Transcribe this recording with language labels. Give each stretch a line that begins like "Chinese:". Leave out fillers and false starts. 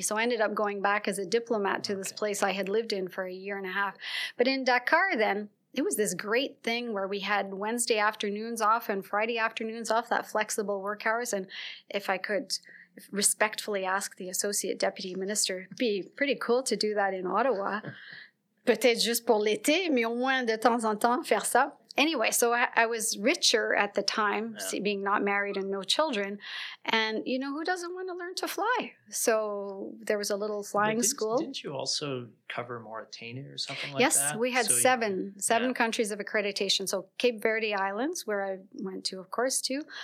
English: So I ended up going back as a diplomat to this place I had lived in for a year and a half. But in Dakar then, it was this great thing where we had Wednesday afternoons off and Friday afternoons off, that flexible work hours. And if I could respectfully ask the associate deputy minister, be pretty cool to do that in Ottawa.
French: Peut-être juste pour l'été, mais au moins de temps en temps faire ça.
English: Anyway, so I was richer at the time, being not married and no children. And, you know, who doesn't want to learn to fly? So there was a little flying school. Didn't you also cover Mauritania or something like that? Yes, we had seven countries of accreditation. So Cape Verde Islands, where I went to, of course, too.